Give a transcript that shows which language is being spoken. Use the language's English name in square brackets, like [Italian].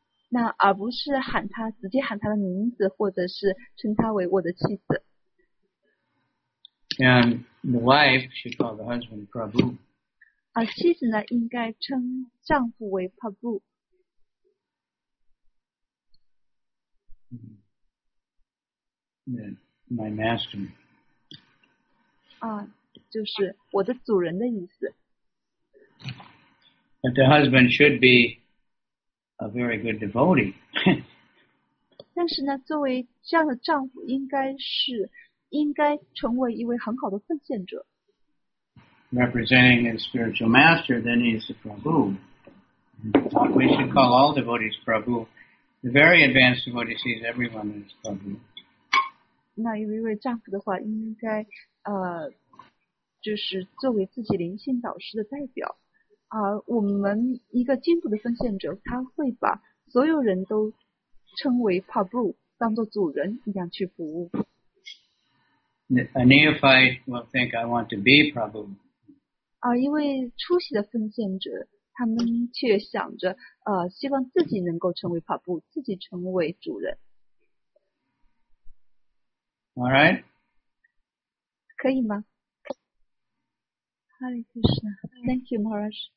[Chinese] 那而不是喊他，直接喊他的名字，或者是称他为我的妻子。 [English] And the wife should call the husband Prabhu. [Chinese] 妻子呢应该称丈夫为 Prabhu. [English] My master. [Chinese] 就是我的主人的意思。 [English] But the husband should be a very good devotee. [Chinese] 但是呢，作为这样的丈夫，应该成为一位很好的奉献者。 [English] Representing his spiritual master, then he is the Prabhu. We should call all devotees Prabhu. The very advanced devotee sees everyone as Prabhu. [Chinese] 那一位丈夫的话，应该就是作为自己灵性导师的代表。我们一个进步的奉献者，他会把所有人都称为 Prabhu， 当做主人一样去服务。 [English] A neophyte will think I want to be Prabhupada. [Chinese] 因为初期的奉献者他们却想着希望自己能够成为帕布，自己成为主人。 [English] All right. [Chinese] 可以吗？ [English] Hare Krishna. Thank you, Maharaj.